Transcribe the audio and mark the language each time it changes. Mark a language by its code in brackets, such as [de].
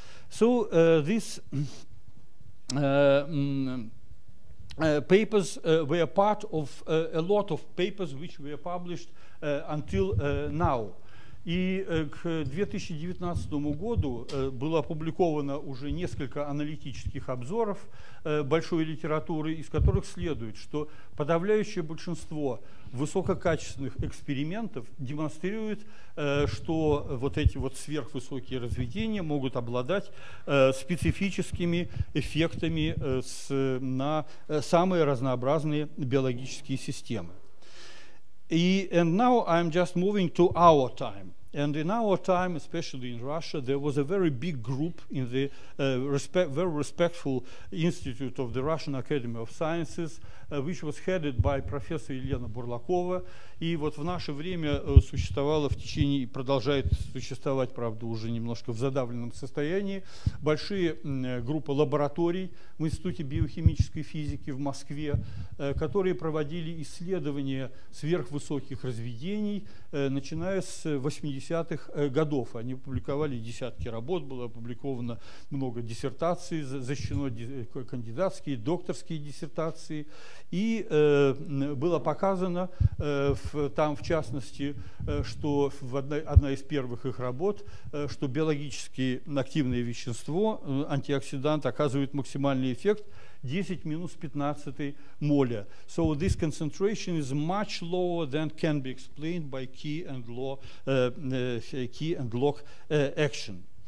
[en] So this papers were part of a lot of papers which were published until now. [ru] И к 2019 году было опубликовано уже несколько аналитических обзоров большой литературы, из которых следует, что подавляющее большинство высококачественных экспериментов демонстрирует, что вот эти вот сверхвысокие разведения могут обладать специфическими эффектами на самые разнообразные биологические системы. [en] And now I'm just moving to our time. And in our time, especially in Russia, there was a very big group in the very respectful Institute of the Russian Academy of Sciences, which was headed by Professor Елена Бурлакова. [ru] И вот в наше время существовало в течение, продолжает существовать, правда, уже немножко в задавленном состоянии, большие группы лабораторий в Институте биохимической физики в Москве, которые проводили исследования сверхвысоких разведений, начиная с 80-х годов. Они публиковали десятки работ, было опубликовано много диссертаций, защищено кандидатские, докторские диссертации. И было показано там, в частности, что в одна из первых их работ, что биологически активное вещество, антиоксидант, оказывает максимальный эффект 10 минус 15 моля. [en] So this concentration is much lower than can be explained by key and log, key and log action.